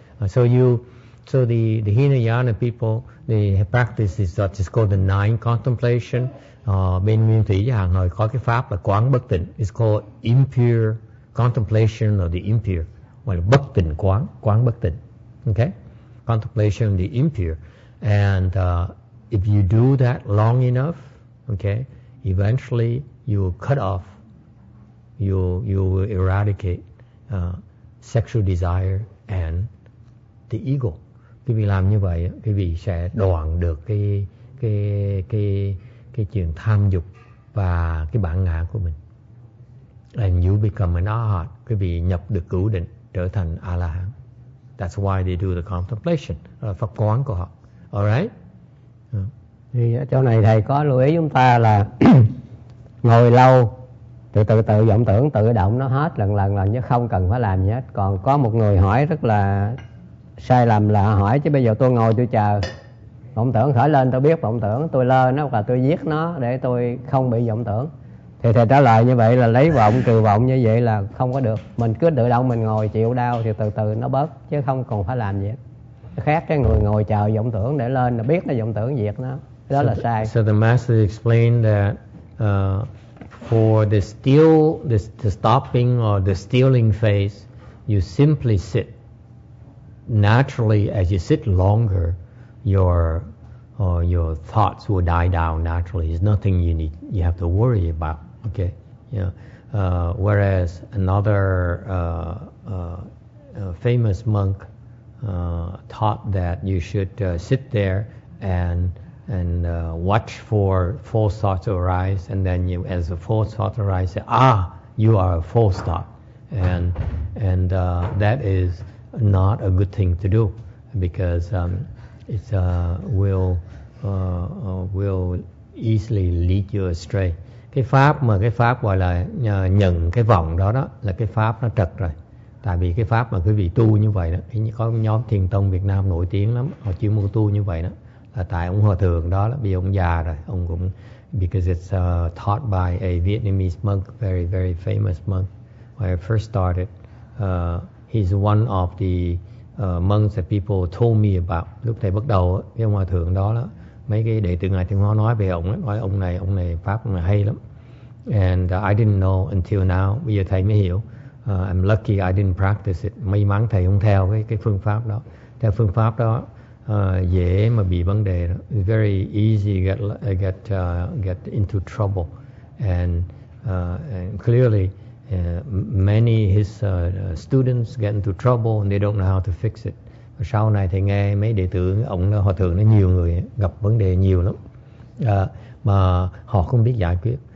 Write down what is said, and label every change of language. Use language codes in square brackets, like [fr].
[en] So the Hinayana people, they practice this, what is called the 9 contemplation. [vi] Bên Nguyên Thủy Giảng Hội có cái pháp là quán bất tịnh. [en] It's called impure contemplation of the impure. [vi] Well, bất tịnh quán, quán bất tịnh. Okay? [en] Contemplation of the impure. And if you do that long enough, okay, eventually you will cut off, you will eradicate sexual desire and the ego. [vi] Quý vị làm như vậy, quý vị sẽ đoạn được cái chuyện tham dục và cái bản ngã của mình. [en] And you become an arahant, [vi] quý vị nhập được cửu định, trở thành A-la-hán. [en] That's why they do the contemplation, [vi] pháp quán của họ. [en] All right? [vi] Thì ở chỗ này thầy có lưu ý chúng ta là ngồi lâu, từ vọng tưởng tự động nó hết lần, chứ không cần phải làm gì hết. Còn có một người hỏi rất là sai lầm là hỏi chứ bây giờ tôi ngồi tôi chờ vọng tưởng khởi lên, tôi biết vọng tưởng, tôi lơ nó hoặc là tôi giết nó để tôi không bị vọng tưởng. Thì thầy trả lời như vậy là lấy vọng trừ vọng như vậy là không có được. Mình cứ tự động mình ngồi chịu đau thì từ từ nó bớt, chứ không còn phải làm gì hết. Khác cái người ngồi chờ vọng tưởng để lên là biết nó vọng tưởng diệt nó, đó là sai. [en] So the master explained that for the steal, the stopping or the stealing phase, you simply sit. Naturally, as you sit longer, your thoughts will die down naturally. There's nothing you have to worry about. Okay, yeah. Whereas another famous monk taught that you should sit there and watch for false thoughts arise, and then you, as a false thought arise, say, ah, you are a false thought, and that is not a good thing to do, because it will easily lead you astray. [vi] Cái pháp mà cái pháp gọi là nhận cái vọng đó là cái pháp nó trật rồi. Tại vì cái pháp mà quý vị tu như vậy đó, thì có nhóm thiền tông Việt Nam nổi tiếng lắm, họ chuyên môn tu như vậy đó, là tại ông hòa thượng đó là, vì ông già rồi, ông cũng, [en] because it's taught by a Vietnamese monk, very very famous monk when I first started. He's one of the monks that people told me about. [vi] Lúc thầy bắt đầu cái ông hòa thượng đó đó, mấy cái đệ tử ngài Tiên Hóa nói về ông ấy, nói ông này pháp mà hay lắm. [en] And I didn't know until now. [vi] Bây giờ thầy mới hiểu. [en] I'm lucky I didn't practice it. [vi] May mắn thầy không theo cái phương pháp đó. Theo phương pháp đó dễ mà bị vấn đề đó. [en] It's very easy get into trouble. And clearly many his students get into trouble and they don't know how to fix it. [vi] Sau này thì nghe mấy đệ tử ông đó, hòa thượng nó nhiều người gặp vấn đề nhiều lắm mà họ không biết giải quyết.